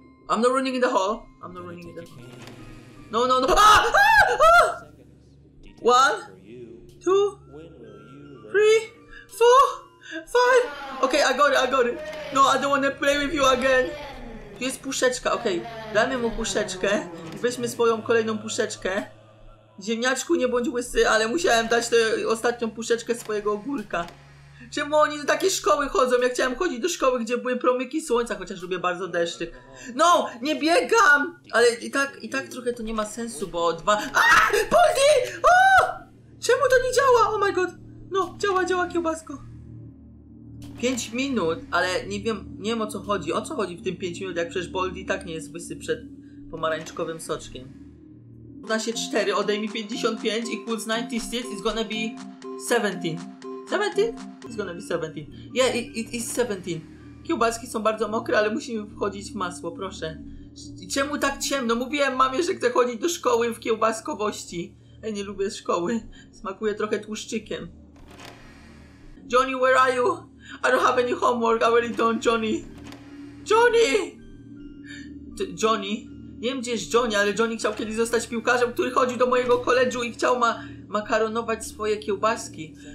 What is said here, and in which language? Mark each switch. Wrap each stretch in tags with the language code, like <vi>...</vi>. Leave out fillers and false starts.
<en>I'm not running in the hall. I'm not running in the hall. No. One. Two. Three. Four, five. Okej, okay, I got it. No, I don't wanna play with you again.</en> <pl>Tu jest puszeczka, okej. Okay. Damy mu puszeczkę. Weźmy swoją kolejną puszeczkę. Ziemniaczku, nie bądź łysy, ale musiałem dać tę ostatnią puszeczkę swojego ogórka. Czemu oni do takiej szkoły chodzą? Ja chciałem chodzić do szkoły, gdzie były promyki słońca, chociaż lubię bardzo deszcz. No, nie biegam! Ale i tak trochę to nie ma sensu, bo dwa... Aaaa! Boldy! Czemu to nie działa?</pl> <en>Oh my god!</en> <pl>No, działa kiełbasko. 5 minut, ale nie wiem o co chodzi. O co chodzi w tym 5 minut, jak przecież Boldy tak nie jest łysy przed pomarańczkowym soczkiem. Na się 4, odejmij 55,</pl> <en>equals 96, it's gonna be 17. 17? It's gonna be 17. Yeah, it is 17.</en> <pl>Kiełbaski są bardzo mokre, ale musimy wchodzić w masło, proszę. Czemu tak ciemno? Mówiłem mamie, że chcę chodzić do szkoły w kiełbaskowości. Ej, nie lubię szkoły. Smakuje trochę tłuszczykiem.</pl> <en>Johnny, where are you? I don't have any homework, I really don't, Johnny. Johnny! Johnny?</en> <pl>Nie wiem, gdzie jest Johnny, ale Johnny chciał kiedyś zostać piłkarzem, który chodził do mojego koledżu i chciał makaronować swoje kiełbaski.</pl>